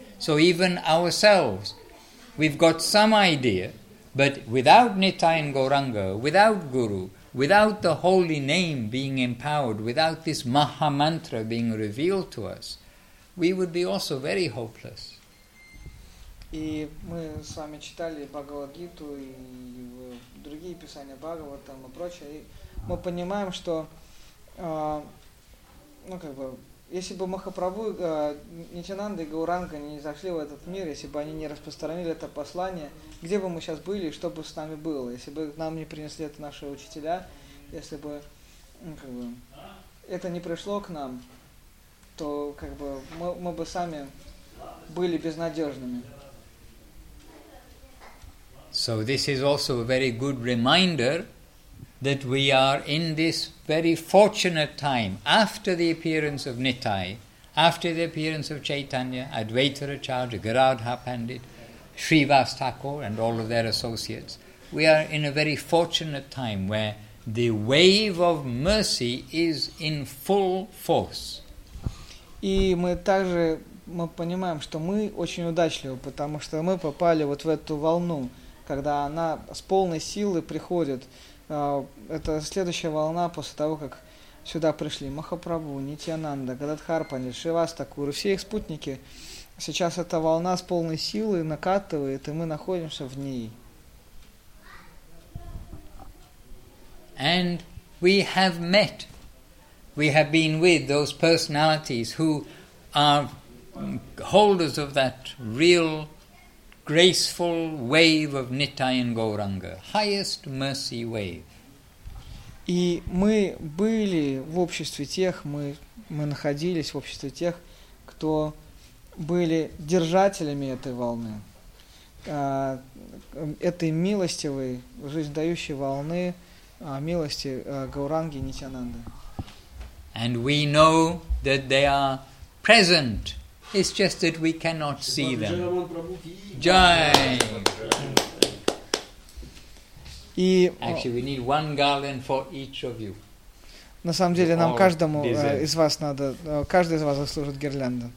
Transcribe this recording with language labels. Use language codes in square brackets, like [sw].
[en] So even ourselves, we've got some idea, but without Nityan Gauranga, without Guru, without the holy name being empowered, without this Maha Mantra being revealed to us, we would be also very hopeless. [ru] И мы с вами читали Бхагавад-гиту и другие писания Бхагаватам и прочее. И мы понимаем, что ну как бы, если бы Махапрабху, Нитянанда и Гауранга не зашли в этот мир, если бы они не распространили это послание, где бы мы сейчас были, что бы с нами было, если бы нам не принесли это наши учителя, если бы ну как бы это не пришло к нам, то как бы мы бы сами были безнадежными. [en] So this is also a very good reminder that we are in this very fortunate time after the appearance of Nittai, after the appearance of Chaitanya, Advaita Acharya, Garadha Pandit, Srivas Thakur and all of their associates. We are in a very fortunate time where the wave of mercy is in full force. [ru] И мы также мы понимаем, что мы очень удачливы, потому что мы попали вот в эту волну, когда она с полной силы приходит. Это следующая волна после того, как сюда пришли Махапрабху, Нитьянанда, Гададхар Пандит, Шривас Такур, все их спутники. Сейчас эта волна с полной силы накатывает, и мы находимся в ней. [en] And we have met. We have been with those personalities who are holders of that real graceful wave of Nityan Gauranga, highest mercy wave. [ru] И мы были в обществе тех, мы находились в обществе тех, кто были держателями этой волны, этой милостивой, жизнедающей волны, милости Гауранги и Нитьянанды. [en] And we know that they are present. It's just that we cannot see them. Jai! Actually, we need one garland for each of you. [ru] На самом деле, нам каждому из вас надо, каждый из вас заслужит гирлянду.